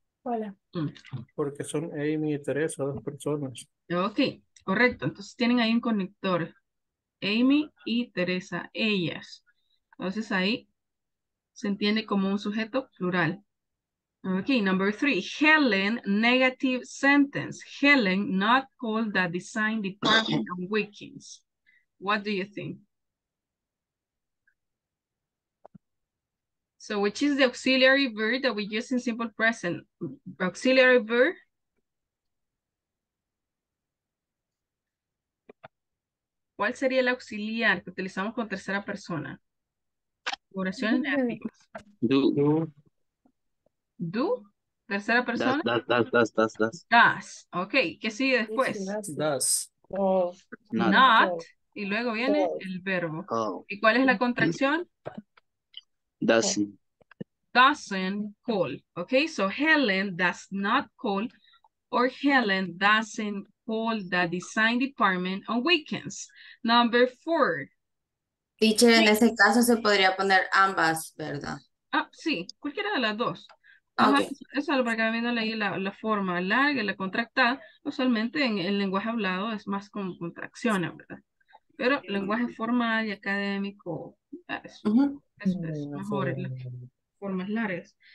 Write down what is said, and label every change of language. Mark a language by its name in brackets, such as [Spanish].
[Spanish] Hola. Porque son Amy y Teresa, dos personas. Ok, correcto. Entonces tienen ahí un conector. Amy y Teresa, ellas. Entonces ahí se entiende como un sujeto plural. [English] Okay, number three, Helen, negative sentence. Helen not called the design department on weekends. What do you think? So which is the auxiliary verb that we use in simple present? Auxiliary verb? [Spanish] ¿Cuál sería el auxiliar que utilizamos con tercera persona? Oraciones negativas. [English] Do. [Spanish] Do, tercera persona. [English] Does. [Spanish] Ok, ¿qué sigue después? [English] Does. [Spanish] Not. Y luego viene el verbo. ¿Y cuál es la contracción? [English] Doesn't call. Ok, so Helen does not call or Helen doesn't call the design department on weekends. Number four. [Spanish] Teacher, en ese caso se podría poner ambas, ¿verdad? Ah, sí, cualquiera de las dos. Okay. Eso es lo que acabo viendo ahí, la forma larga y la contractada. Usualmente en el lenguaje hablado es más con contracciones, ¿verdad? Pero lenguaje formal y académico es mejor en las formas largas.